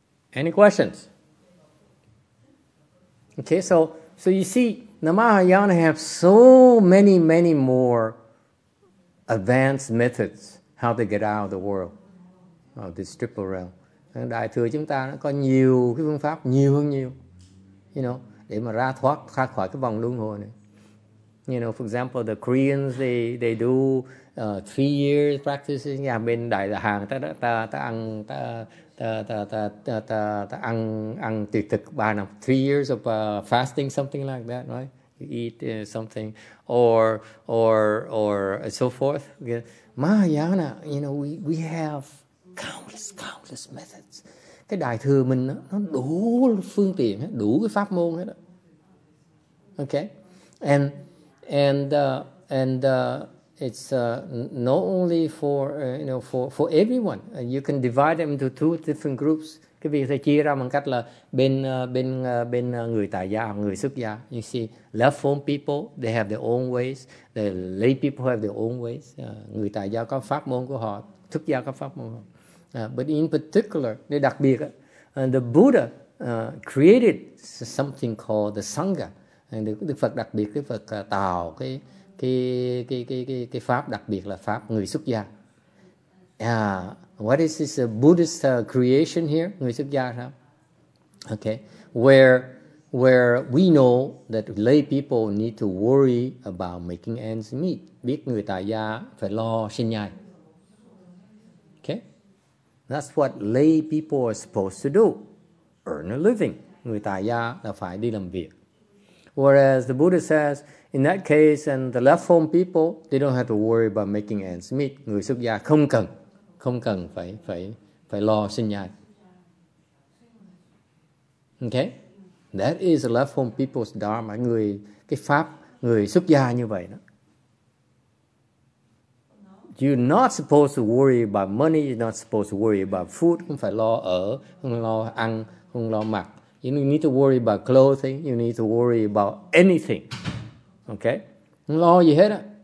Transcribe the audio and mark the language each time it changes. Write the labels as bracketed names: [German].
[English] Any questions? Okay, so you see, the Mahayana have so many, many more advanced methods how to get out of the world, of this triple realm. [Vietnamese] Đại thừa chúng ta nó có nhiều cái phương pháp, nhiều hơn nhiều, [English] you know, [Vietnamese] để mà ra thoát ra khỏi cái vòng luân hồi này. [English] You know, for example, the Koreans, they do 3 years practice. [Vietnamese] Nhà bên Đại Hàng, ta ăn tuyệt thực 3 năm, [English] 3 years of fasting, something like that, right? You eat something or so forth. Yeah. Mahayana, you know, we have countless methods. [Vietnamese] Cái đại thừa mình nó đủ phương tiện, đủ cái pháp môn hết. [English] Okay, it's not only for you know for everyone. You can divide them into two different groups. [Vietnamese] Cái việc chia ra bằng cách là bên người tại gia, người xuất gia. [English] You see, left home people, they have their own ways. The lay people have their own ways. [Vietnamese] Người tại gia có pháp môn của họ, xuất gia có pháp môn của họ. [English] But in particular, [Vietnamese] đặc biệt, [English] the Buddha created something called the Sangha. [Vietnamese] Đức Phật đặc biệt, cái Phật tạo cái pháp đặc biệt là pháp người xuất gia. [English] What is this Buddhist creation here? [Vietnamese] Người xuất gia sao? [English] Okay. Where we know that lay people need to worry about making ends meet. [Vietnamese] Biết người tại gia phải lo sinh nhai. [English] Okay. That's what lay people are supposed to do. Earn a living. [Vietnamese] Người tại gia là phải đi làm việc. [English] Whereas the Buddha says, in that case, and the left home people, they don't have to worry about making ends meet. [Vietnamese] Người xuất gia không cần phải lo sinh nhai. [English] Okay, that is the left home people's dharma. [Vietnamese] Người cái pháp người xuất gia như vậy đó. [English] You're not supposed to worry about money. You're not supposed to worry about food. [Vietnamese] Không phải lo ở, không lo ăn, không lo mặc, [English] You don't need to worry about clothing. You need to worry about anything. Okay? [Vietnamese] Không lo gì hết á.